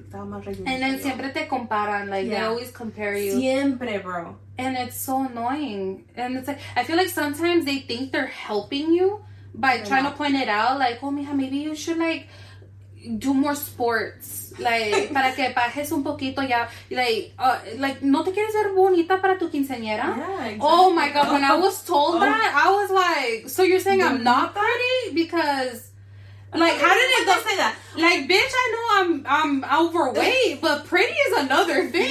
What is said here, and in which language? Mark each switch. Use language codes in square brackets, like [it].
[en] And then [es] siempre te comparan, [en] like, they always compare you. [es] Siempre, bro. [en] And it's so annoying. And it's, like, I feel like sometimes they think they're helping you by trying to point it out, like, oh, mija, maybe you should, like, do more sports. [es] Like, para que bajes un poquito ya. Like, ¿no te quieres ver bonita para tu quinceañera? [en] Yeah, exactly. Oh, my God, when I was told that, I was like, so you're saying I'm not pretty? Because... Like, how did it go say that? Like, bitch, I know I'm overweight, but pretty is another thing.